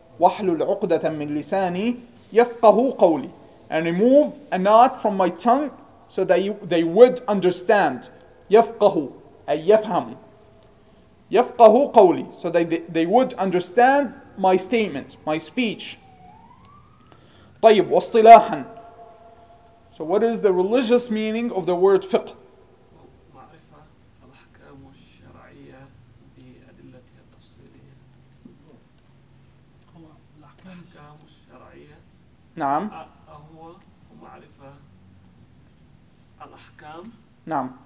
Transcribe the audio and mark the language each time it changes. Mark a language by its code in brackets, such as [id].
[ar] وحلل عقدة من لساني يفقه قولي. [en] And remove a knot from my tongue so that they would understand. [ar] يفقه أي يفهم. يفقه قولي. [en] So that they would understand my statement, my speech. [ar] طيب، واصطلاحا. [en] So what is the religious meaning of the word فقه؟ [ar] معرفة الأحكام الشرعية بأدلتها التفصيلية. الأحكام الشرعية. نعم. هو معرفة الأحكام. نعم.